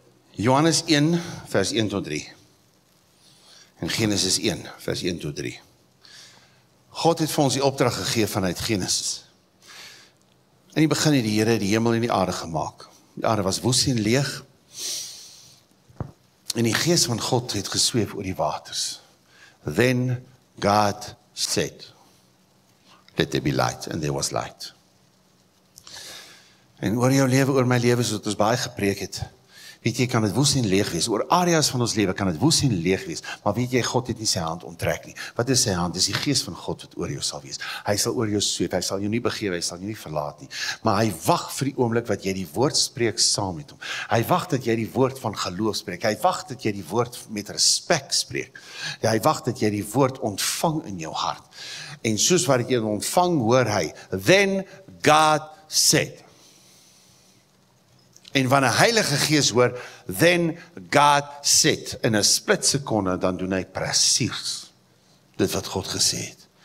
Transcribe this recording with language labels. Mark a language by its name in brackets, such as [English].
[Afrikaans] Johannes 1 vers 1 tot 3. En Genesis 1 vers 1 tot 3. God het vir ons die opdrag gegee vanuit Genesis. In die begin het die Here die hemel en die aarde gemaak. Ja, daar was woes en leeg. En die gees van God het gesweef oor die waters. [English] Then God said, let there be light, and there was light. [Afrikaans] En oor jou lewe, oor my lewe, soos ons baie gepreek het, weet jy, kan het woes en leeg wees. Oor areas van ons lewe kan het woes en leeg wees. Maar weet jy, God het nie sy hand onttrek nie. Wat is sy hand? Dis die gees van God wat oor jou sal wees. Hy sal oor jou sweep, hy sal jou nie begewe, hy sal jou nie verlaat nie. Maar hy wag vir die oomblik wat jy die woord spreek saam met hom. Hy wag dat jy die woord van geloof spreek. Hy wag dat jy die woord met respek spreek. Hy wag dat jy die woord ontvang in jou hart. En soos wat jy ontvang, hoor hy, [English] then God said. [Afrikaans] En van een heilige gees hoor, [English] then God said, [Afrikaans] in een split seconde, dan doen hy precies dit wat God gesê het.